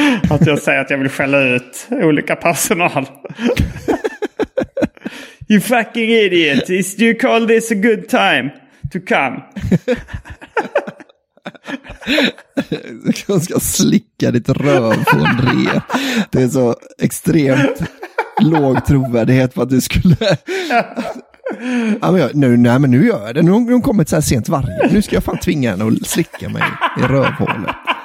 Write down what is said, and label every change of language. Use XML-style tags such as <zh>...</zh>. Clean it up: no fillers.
<sv>Att jag säger att jag vill skälla ut olika personal.</sv> <en>You fucking idiot. Do you call this a good time to come?</en> <sv>Jag ska slicka ditt röv på en rep. Det är så extremt låg trovärdighet på att du skulle... Ja, men nu gör jag det. Nu har hon kommit så här sent varje. Nu ska jag fan tvinga henne att slicka mig i rövhålet.</sv>